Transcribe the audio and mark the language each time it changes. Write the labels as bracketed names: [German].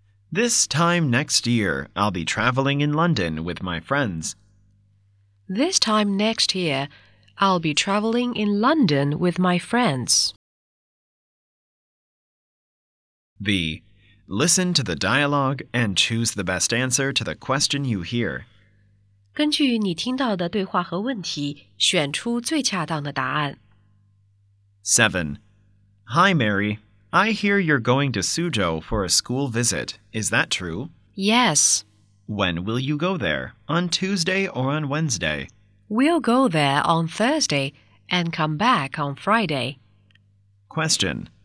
[English] This time next year, I'll be traveling in London with my friends. This time next year, I'll be traveling in London with my friends. B. Listen to the dialogue and choose the best answer to the question you hear. [Chinese] 根据你听到的对话和问题，选出最恰当的答案。 [English] 7. Hi, Mary. I hear you're going to Suzhou for a school visit. Is that true? Yes. When will you go there? On Tuesday or on Wednesday? We'll go there on Thursday and come back on Friday. Question.